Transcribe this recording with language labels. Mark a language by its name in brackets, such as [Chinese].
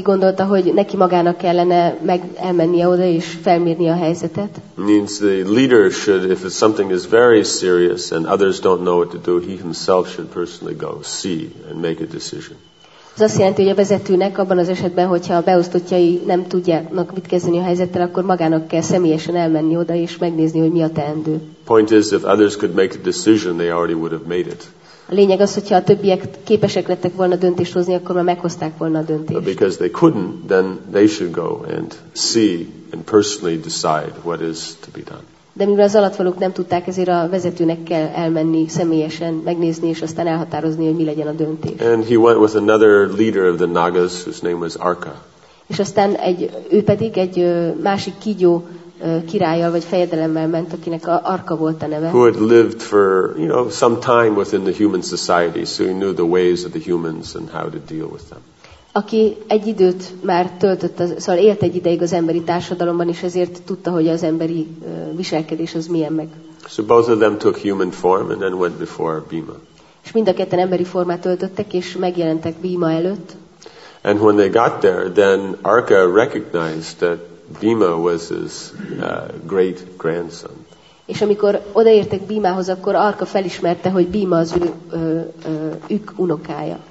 [Hungarian] gondolta, hogy neki magának kellene meg elmennie oda és felmérni a helyzetet. [English] Means the leader should, if it's something is very serious and others don't know what to do, he himself should personally go see and make a decision. [Hungarian] Ez azt jelenti, hogy a vezetőnek abban az esetben, hogyha a beosztottjai nem tudják mit kezdeni a helyzettel, akkor magának kell személyesen elmenni oda és megnézni, hogy mi a teendő. [English] Point is, if others could make a decision, they already would have made it. [Hungarian] A lényeg az, hogyha a többiek képesek lettek volna döntést hozni, akkor már meghozták volna a döntést. [English] But because they couldn't, then they should go and see and personally decide what is to be done. [Hungarian] De mivel az alattvalók nem tudták, ezért a vezetőnek kell elmenni személyesen, megnézni és aztán elhatározni, hogy mi legyen a döntés. [English] And he went with another leader of the Nagas, whose name was Arka. [Hungarian] És aztán ő pedig egy másik kígyó királlyal vagy fejedelemmel ment, akinek Arka volt a neve. [English] Who had lived for, you know, some time within the human society, so he knew the ways of the humans and how to deal with them. [Hungarian] Aki egy időt már töltött, szóval élt egy ideig az emberi társadalomban, és ezért tudta, hogy az emberi viselkedés az milyen meg. [English] So both of them took human form and then went before Bhima. [Hungarian] És mind a ketten emberi formát öltöttek, és megjelentek Bhima előtt. [English] And when they got there, then Arka recognized that Bhima was his great grandson. [Hungarian] És amikor odaértek Bhimához, akkor Arka felismerte, hogy Bhima az ők unokája.